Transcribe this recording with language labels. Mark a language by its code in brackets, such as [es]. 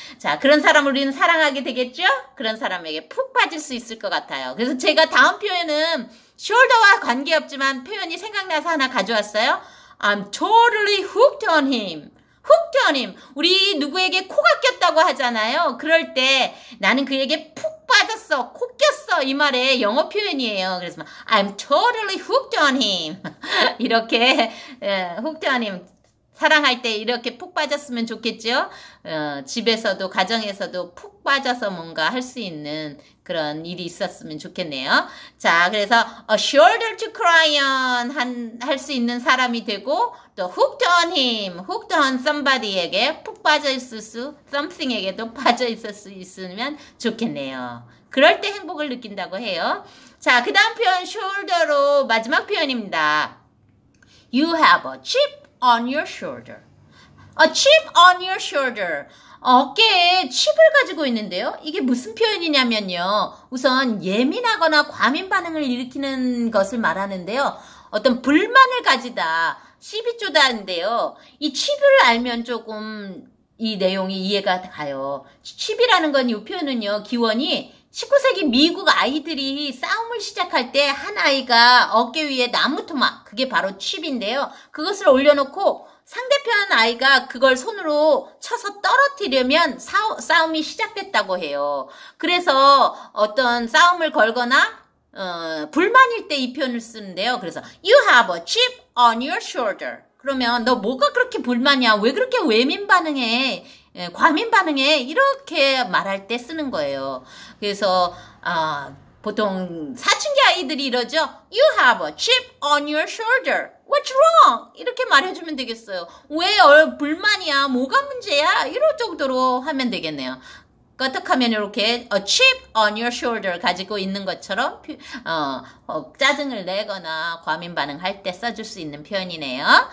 [ko] 자, 그런 사람 우리는 사랑하게 되겠죠? 그런 사람에게 푹 빠질 수 있을 것 같아요. 그래서 제가 다음 표현은, 숄더와 관계없지만 표현이 생각나서 하나 가져왔어요. [en] I'm totally hooked on him. Hooked on him. [ko] 우리 누구에게 코가 꼈다고 하잖아요. 그럴 때 나는 그에게 푹 빠졌어. 코 꼈어. 이 말의 영어 표현이에요. 그래서 막, [en] I'm totally hooked on him. [ko] 이렇게, [en] hooked on him. [ko] 사랑할 때 이렇게 푹 빠졌으면 좋겠죠? 집에서도, 가정에서도 푹 빠져서 뭔가 할수 있는 그런 일이 있었으면 좋겠네요. 자, 그래서 [en] a shoulder to cry on [ko] 할수 있는 사람이 되고, 또 [en] hooked on him, hooked on somebody [ko] 에게 푹 빠져 있을 수, something에게도 빠져 있을 수 있으면 좋겠네요. 그럴 때 행복을 느낀다고 해요. 자, 그 다음 표현, shoulder로 마지막 표현입니다. [en] You have a chip on your shoulder. A chip on your shoulder. [ko] 어깨에 칩을 가지고 있는데요. 이게 무슨 표현이냐면요. 우선 예민하거나 과민 반응을 일으키는 것을 말하는데요. 어떤 불만을 가지다. 시비 쪼다인데요. 이 칩을 알면 조금 이 내용이 이해가 가요. 칩이라는 건이 표현은요. 기원이 19세기 미국 아이들이 싸움을 시작할 때한 아이가 어깨 위에 나무토막, 그게 바로 칩인데요. 그것을 올려놓고 상대편 아이가 그걸 손으로 쳐서 떨어뜨리면 싸움이 시작됐다고 해요. 그래서 어떤 싸움을 걸거나, 불만일 때이 표현을 쓰는데요. 그래서, [en] You have a chip on your shoulder. [ko] 그러면 너 뭐가 그렇게 불만이야? 왜 그렇게 외민 반응해? 과민 반응에 이렇게 말할 때 쓰는 거예요. 그래서 보통 사춘기 아이들이 이러죠. [en] You have a chip on your shoulder. What's wrong? [ko] 이렇게 말해주면 되겠어요. 왜 불만이야? 뭐가 문제야? 이럴 정도로 하면 되겠네요. 어떻게 하면 이렇게 [en] a chip on your shoulder [ko] 가지고 있는 것처럼 짜증을 내거나 과민 반응할 때 써줄 수 있는 표현이네요.